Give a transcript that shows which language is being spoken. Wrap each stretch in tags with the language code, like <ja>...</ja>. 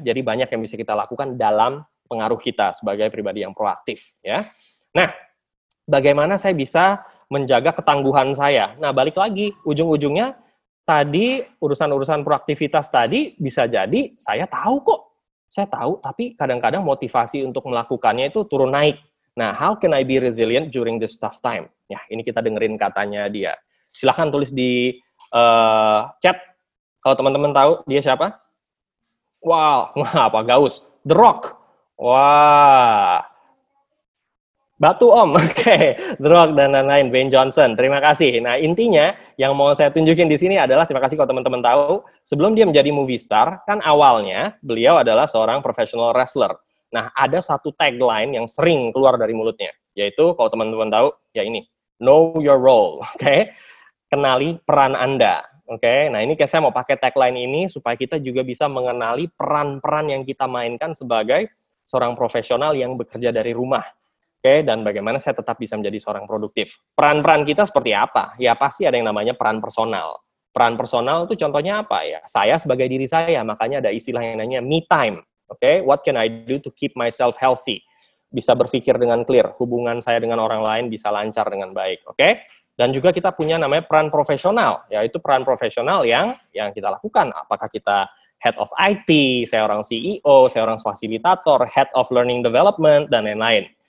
<id>Jadi banyak yang bisa kita lakukan dalam pengaruh kita sebagai pribadi yang proaktif, ya. Nah, bagaimana saya bisa menjaga ketangguhan saya? Nah, balik lagi, ujung-ujungnya, tadi, urusan-urusan proaktivitas tadi, bisa jadi, saya tahu kok. Saya tahu, tapi kadang-kadang motivasi untuk melakukannya itu turun naik.</id> <en>Nah, how can I be resilient during this tough time?</en> <id>Ya, ini kita dengerin katanya dia. Silahkan tulis di chat, kalau teman-teman tahu dia siapa. Wow, apa Gaus? The Rock. Wah. Batu Om, oke, okay. The Rock dan lain-lain, Ben Johnson, terima kasih. Nah, intinya yang mau saya tunjukin di sini adalah, terima kasih kalau teman-teman tahu, sebelum dia menjadi movie star, kan awalnya beliau adalah seorang professional wrestler. Nah, ada satu tagline yang sering keluar dari mulutnya, yaitu kalau teman-teman tahu, ya ini,</id> <en>know your role,</en> <id>oke, okay? Kenali peran Anda. Oke, okay? Nah ini kayak saya mau pakai tagline ini supaya kita juga bisa mengenali peran-peran yang kita mainkan sebagai seorang profesional yang bekerja dari rumah. Okay, dan bagaimana saya tetap bisa menjadi seorang produktif. Peran-peran kita seperti apa? Ya pasti ada yang namanya peran personal. Peran personal itu contohnya apa ya? Saya sebagai diri saya, makanya ada istilah yang namanya me time.</id> <en>Okay, what can I do to keep myself healthy?</en> <id>Bisa berpikir dengan clear, hubungan saya dengan orang lain bisa lancar dengan baik. Okay? Dan juga kita punya namanya peran profesional, yaitu peran profesional yang kita lakukan. Apakah kita head of IT, saya orang CEO, saya orang fasilitator, head of learning development, dan lain-lain.</id>